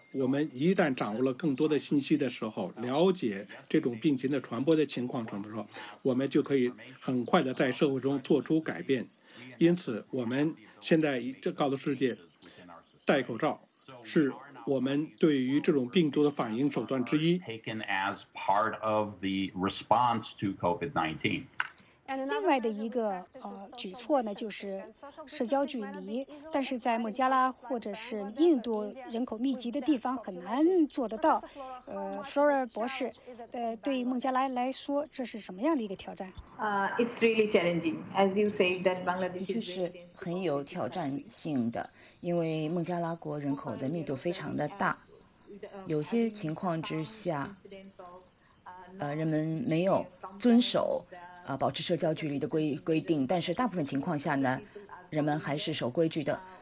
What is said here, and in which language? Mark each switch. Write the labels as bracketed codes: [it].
[zh] 我们一旦掌握了更多的信息的时候，了解这种病情的传播的情况什么时候，我们就可以很快的在社会中做出改变。因此我们现在告诉世界戴口罩是我们对于这种病毒的反应手段之一。 [en] Taken as part of the response to COVID-19. [zh] 另外的一个举措呢，就是社交距离。但是在孟加拉或者是印度人口密集的地方很难做得到。 Flora 博士，对孟加拉来说，这是什么样的一个挑战？ [en] It's really challenging, as you say that Bangladesh. [zh] 的确是很有挑战性的。因为孟加拉国人口的密度非常的大，有些情况之下人们没有遵守保持社交距离的规定，但是大部分情况下呢，人们还是守规矩的。